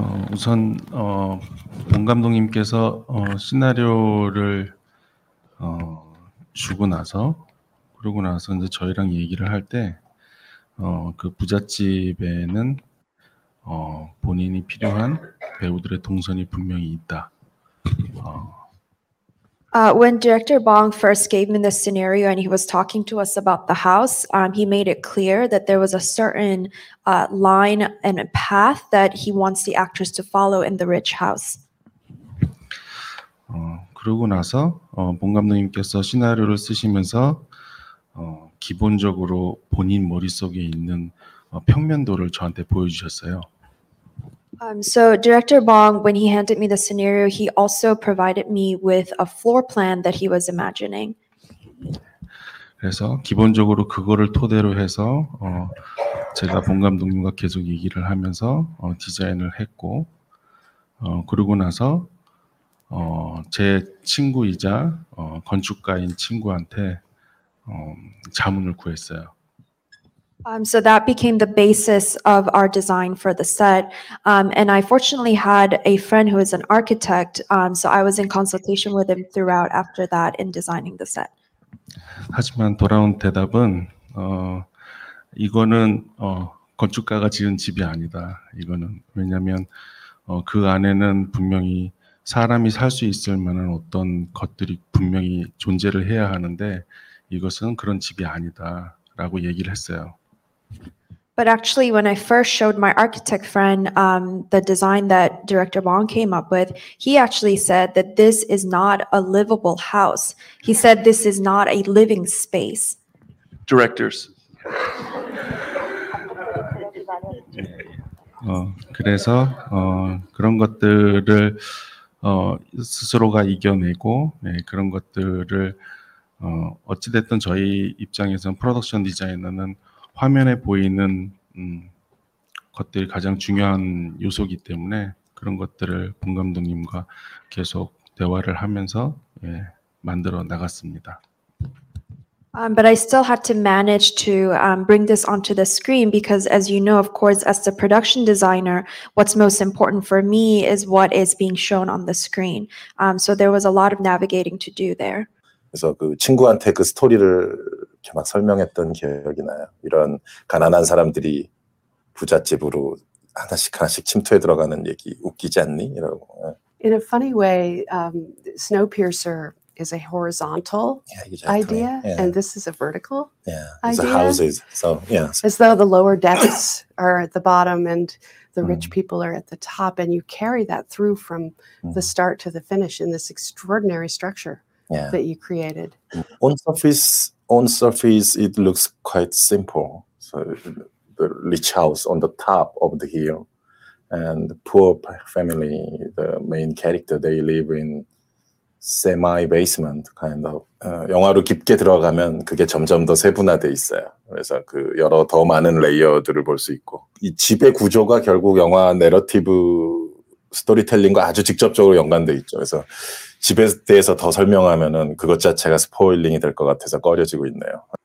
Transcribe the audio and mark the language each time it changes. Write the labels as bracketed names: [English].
[Korean] Bong 감독님께서 시나리오를 주고 나서 그러고 나서 이제 저희랑 얘기를 할 때 그 부잣집에는 본인이 필요한 배우들의 동선이 분명히 있다. [English] When director Bong first gave me the scenario and he was talking to us about the house, he made it clear that there was a certain line and a path that he wants the actress to follow in the rich house. [Korean] 그러고 나서 봉 감독님께서 시나리오를 쓰시면서 기본적으로 본인 머릿속에 있는 평면도를 저한테 보여주셨어요. [English] So director Bong, when he handed me the scenario, he also provided me with a floor plan that he was imagining. [Korean] 그래서 기본적으로 그거를 토대로 해서 제가 봉 감독님과 계속 얘기를 하면서 디자인을 했고 그러고 나서 제 친구이자 건축가인 친구한테 자문을 구했어요. [English] So that became the basis of our design for the set. And I fortunately had a friend who is an architect. So I was in consultation with him throughout after that in designing the set. [Korean] 하지만 돌아온 대답은 이거는 건축가가 지은 집이 아니다. 이거는 왜냐하면 그 안에는 분명히 사람이 살 수 있을 만한 어떤 것들이 분명히 존재를 해야 하는데 이것은 그런 집이 아니다라고 얘기를 했어요. [English] But actually, when I first showed my architect friend the design that director Bong came up with, he actually said that this is not a livable house. He said this is not a living space. Directors. [Korean] 그래서 그런 것들을 스스로가 이겨내고 예, 그런 것들을 어찌 됐든 저희 입장에서는 프로덕션 디자이너는 화면에 보이는 것들이 가장 중요한 요소이기 때문에 그런 것들을 봉 감독님과 계속 대화를 하면서 예, 만들어 나갔습니다. [English] But I still had to manage to bring this onto the screen because, as you know, of course, as the production designer, what's most important for me is what is being shown on the screen. So there was a lot of navigating to do there. [Korean] 그래서 그 친구한테 그 스토리를 막 설명했던 기억이 나요. 이런 가난한 사람들이 부잣집으로 하나씩 하나씩 침투해 들어가는 얘기 웃기지 않니? 이러고. [English] In a funny way, Snowpiercer is a horizontal idea, yeah. And this is a vertical idea. It's houses, so yeah. As though the lower decks are at the bottom and the rich people are at the top, and you carry that through from the start to the finish in this extraordinary structure that you created. On surface, it looks quite simple. So the rich house on the top of the hill, and the poor family, the main character, they live in semi-basement, kind of. [Korean] 영화로 깊게 들어가면 그게 점점 더 세분화돼 있어요. 그래서 그 여러 더 많은 레이어들을 볼 수 있고. 이 집의 구조가 결국 영화 내러티브 스토리텔링과 아주 직접적으로 연관돼 있죠. 그래서 집에 대해서 더 설명하면은 그것 자체가 스포일링이 될 것 같아서 꺼려지고 있네요.